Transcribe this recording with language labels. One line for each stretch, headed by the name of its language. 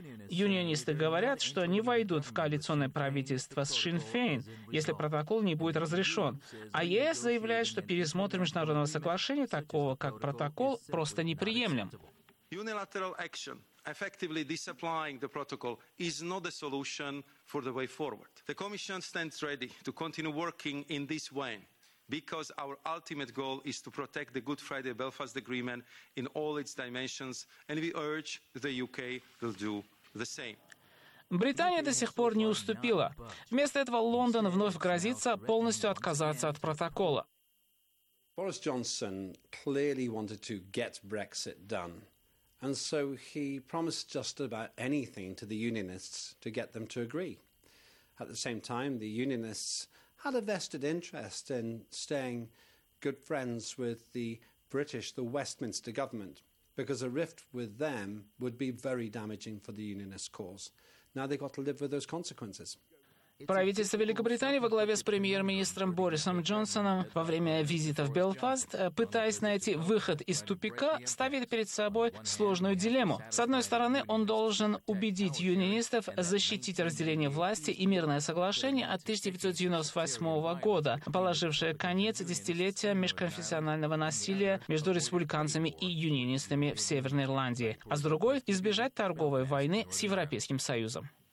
Russian: Юнионисты говорят, что не войдут в коалиционное правительство с Sinn Féin, если протокол не будет разрешен. А ЕС заявляет, что пересмотр международного соглашения, такого как протокол, просто неприемлем.
English: Effectively disapplying the protocol is not the solution for the way forward. The Commission stands ready to continue working in this way, because our ultimate goal is to protect the Good Friday Belfast Agreement in all its dimensions, and we urge the UK will do the same.
Russian: Британия до сих пор не уступила. Вместо этого Лондон вновь грозится полностью отказаться от протокола.
English: Boris Johnson clearly wanted to get Brexit done. And so he promised just about anything to the unionists to get them to agree. At the same time, the unionists had a vested interest in staying good friends with the Westminster government, because a rift with them would be very damaging for the unionist cause. Now they've got to live with those consequences.
Russian: Правительство Великобритании во главе с премьер-министром Борисом Джонсоном во время визита в Белфаст, пытаясь найти выход из тупика, ставит перед собой сложную дилемму. С одной стороны, он должен убедить юнионистов защитить разделение власти и мирное соглашение от 1998 года, положившее конец десятилетиям межконфессионального насилия между республиканцами и юнионистами в Северной Ирландии, а с другой – избежать торговой войны с Европейским Союзом.